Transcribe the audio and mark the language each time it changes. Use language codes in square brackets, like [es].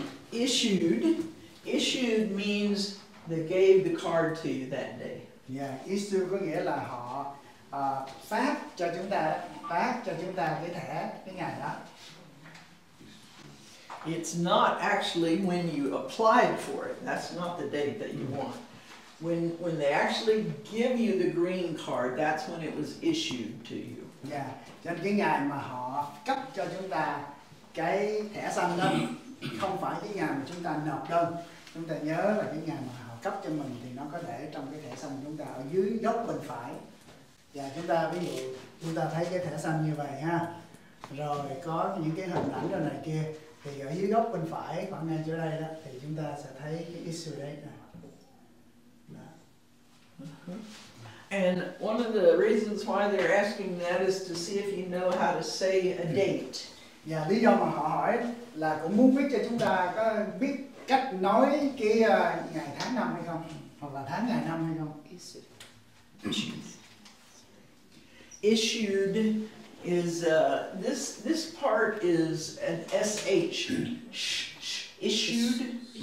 [en] Issued means they gave the card to you that day. [vi] Yeah, issued có nghĩa là họ phát cho chúng ta cái thẻ cái ngày đó. [en] It's not actually when you applied for it. That's not the date that you want. When they actually give you the green card, that's when it was issued to you. Yeah. [vi] Cho nên cái ngày mà họ cấp cho chúng ta cái thẻ xanh đó không phải cái ngày mà chúng ta nộp đơn. Chúng ta nhớ là cái ngày mà họ cấp cho mình thì nó có để trong cái thẻ xanh chúng ta ở dưới góc bên phải. Và chúng ta ví dụ chúng ta thấy cái thẻ xanh như vậy ha. Rồi có những cái hình ảnh rồi này kia thì ở dưới góc bên phải khoảng ngay chỗ đây đó thì chúng ta sẽ thấy cái issue đấy nè. [en] And one of the reasons why they're asking that is to see if you know how to say a date. [vi] Yeah, lý do mà họ hỏi là cũng muốn biết cho chúng ta có biết cách nói cái ngày tháng năm hay không, hoặc là tháng ngày năm hay không. [en] Issued is this part is an sh. Issued.